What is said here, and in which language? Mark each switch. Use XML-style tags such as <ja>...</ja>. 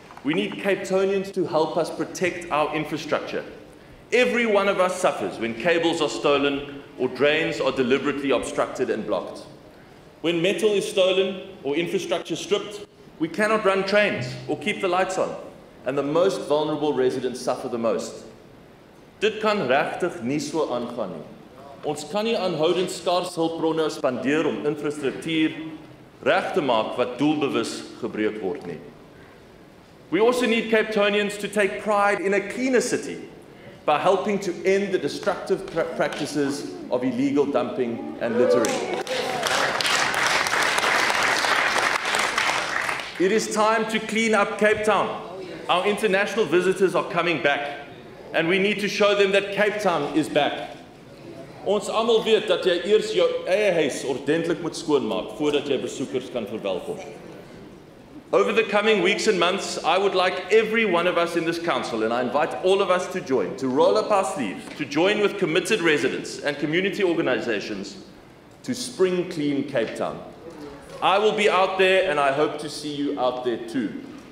<en>We need Capetonians to help us protect our infrastructure. Every one of us suffers when cables are stolen or drains are deliberately obstructed and blocked. When metal is stolen or infrastructure stripped, we cannot run trains or keep the lights on, and the most vulnerable residents suffer the most.</en> <af>Dit kan regtig nie so aangaan nie. Ons kan nie aanhoudend skaars hulpbronne spandeer om infrastruktuur reg te maak wat doelbewus gebreek word nie.</af> <en>We also need Capetonians to take pride in a cleaner city by helping to end the destructive practices of illegal dumping and littering. It is time to clean up Cape Town. Our international visitors are coming back, and we need to show them that Cape Town is back.</en> <af>Ons almal weet dat jy eers jou eie huis ordentlik moet skoonmaak voordat jy besoekers kan verwelkom.</af> <en>Over the coming weeks and months, I would like every one of us in this council, and I invite all of us to join, to roll up our sleeves, to join with committed residents and community organizations to spring clean Cape Town. I will be out there, and I hope to see you out there too.</en>